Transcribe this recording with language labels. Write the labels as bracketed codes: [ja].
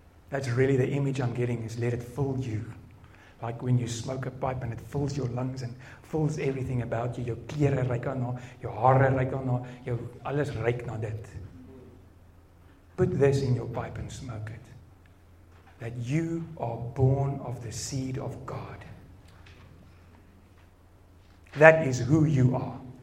[en] That's really the image I'm getting, is let it fill you. Like when you smoke a pipe and it fills your lungs and fills everything about you. [af] Jou klere ruik aan na, jou hare ruik aan na, jou alles ruik na dit. [en] Put this in your pipe and smoke it. That you are born of the seed of God. That is who you are.